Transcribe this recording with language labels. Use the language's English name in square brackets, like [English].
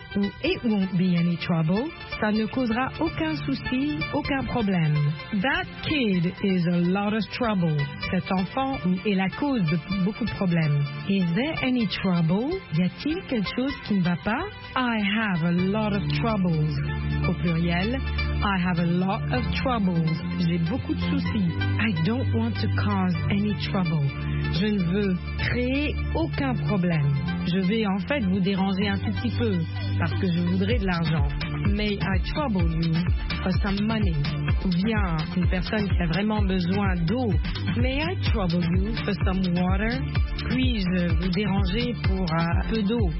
[English] Ou it won't be any trouble. [French] Ça ne causera aucun souci, aucun problème. [English] That kid is a lot of trouble. [French] Cet enfant est la cause de beaucoup de problèmes. [English] Is there any trouble? [French] Y a-t-il quelque chose qui ne va pas? [English] I have a lot of troubles. [French] Au pluriel, [English] I have a lot of troubles. [French] J'ai beaucoup de soucis. [English] I don't want to cause any trouble. [French] Je ne veux créer aucun problème. Je vais en fait vous déranger un tout petit peu parce que je voudrais de l'argent. [English] May I trouble you for some money? [French] Ou bien une personne qui a vraiment besoin d'eau. [English] May I trouble you for some water? [French] Puis-je vous déranger pour un peu d'eau?